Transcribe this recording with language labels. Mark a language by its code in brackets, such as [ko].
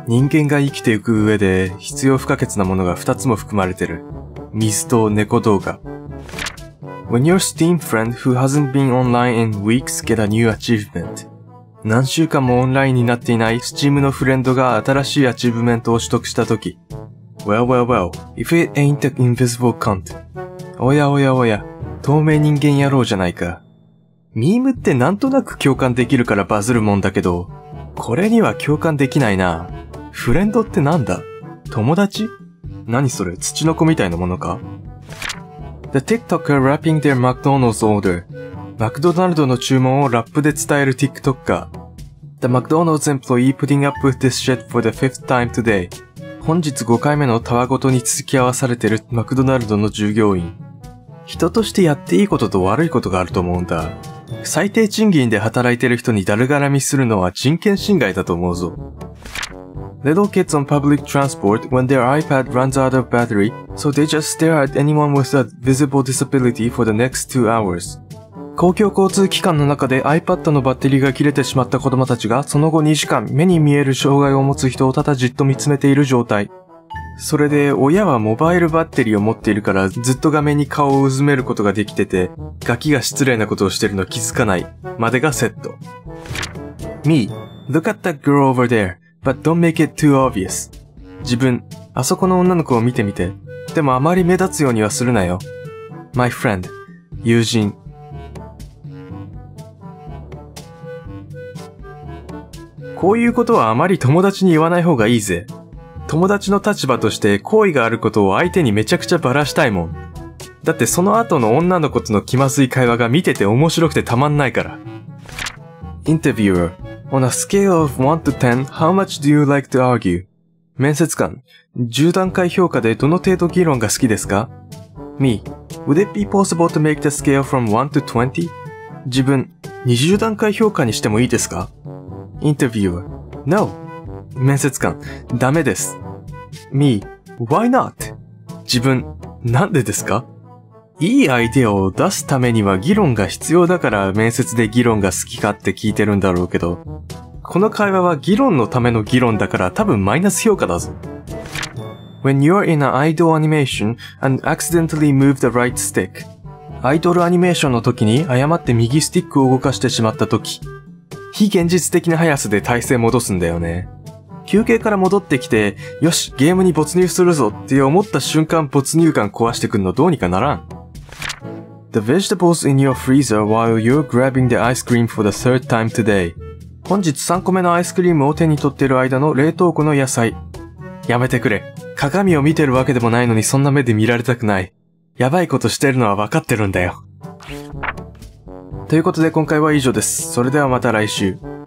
[ja] 人間が生きていく上で必要不可欠なものが2つも含まれてる。水と猫動画。 [en] When your Steam friend who hasn't been online in weeks get a new achievement. [ja] 何週間もオンラインになっていない Steam のフレンドが新しいアチーブメントを取得したとき。 [en] Well, well, well. If it ain't an invisible cunt. [ja] おやおやおや。透明人間野郎じゃないか。ミームってなんとなく共感できるからバズるもんだけど、これには共感できないな。フレンドってなんだ？友達？何それ、土の子みたいなものか？ [en] The TikToker wrapping their McDonald's order. [ja] マクドナルドの注文をラップで伝える TikToker。 [en] The McDonald's employee putting up with this shit for the fifth time today. [ja] 本日5回目のたわごとに付き合わされてるマクドナルドの従業員。人としてやっていいことと悪いことがあると思うんだ。最低賃金で働いてる人にだるがらみするのは人権侵害だと思うぞ。 [en] Little kids on public transport when their iPad runs out of battery, so they just stare at anyone with a visible disability for the next two hours. [ja] 公共交通機関の中で iPad のバッテリーが切れてしまった子供たちが、その後2時間目に見える障害を持つ人をただじっと見つめている状態。それで親はモバイルバッテリーを持っているからずっと画面に顔をうずめることができてて、ガキが失礼なことをしてるの気づかないまでがセット。 [en] Me, look at that girl over there, but don't make it too obvious. [ja] 自分、あそこの女の子を見てみて、でもあまり目立つようにはするなよ。 [en] My friend, [ja] 友人。こういうことはあまり友達に言わない方がいいぜ。友達の立場として好意があることを相手にめちゃくちゃバラしたいもん。だってその後の女の子との気まずい会話が見てて面白くてたまんないから。 [en] インタビュアー、On a scale of 1 to 10, how much do you like to argue? [ja] 面接官、10段階評価でどの程度議論が好きですか？ [en] Me, would it be possible to make the scale from 1 to 20? [ja] 自分、20段階評価にしてもいいですか？インタビュアー、 [en] No. [ja] 面接官、ダメです。 [en] Me, why not? [ja] 自分、なんでですか？いいアイデアを出すためには議論が必要だから面接で議論が好きかって聞いてるんだろうけど、この会話は議論のための議論だから多分マイナス評価だぞ。 [en] When you're in an idle animation and accidentally move the right stick. [ja] アイドルアニメーションの時に誤って右スティックを動かしてしまった時、非現実的な速さで体勢戻すんだよね。休憩から戻ってきて、よし、ゲームに没入するぞって思った瞬間、没入感壊してくんのどうにかならん。 [en] The vegetables in your freezer while you're grabbing the ice cream for the third time today. [ja] 本日3個目のアイスクリームを手に取ってる間の冷凍庫の野菜。やめてくれ。鏡を見てるわけでもないのにそんな目で見られたくない。やばいことしてるのはわかってるんだよ。ということで今回は以上です。それではまた来週。